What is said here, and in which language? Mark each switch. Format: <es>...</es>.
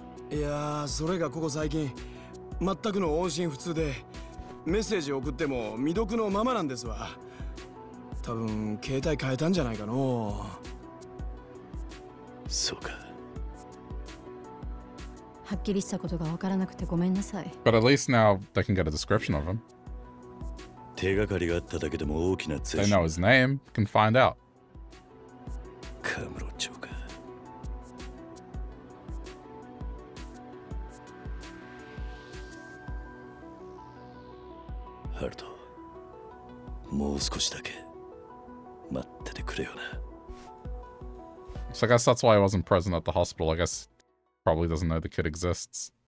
<ja>いやそれがここ最近全くの音信不通で、メッセージ送っても未読のままなんですわ。多分携帯変えたんじゃないかの。そうか。はっきりしたことがわからなくてごめんなさい。</ja> <en>But at least now they can get a description of him.</en> <ja>手がかりがあっただけでも大きな通信。</ja> <en>They know his name. Can find out.</en> <ja>カムロ長か。ハルト、もう少しだけ待っててくれよな。</ja> <en>So I guess that's why he wasn't present at the hospital. I guess he probably doesn't know the kid exists.</en>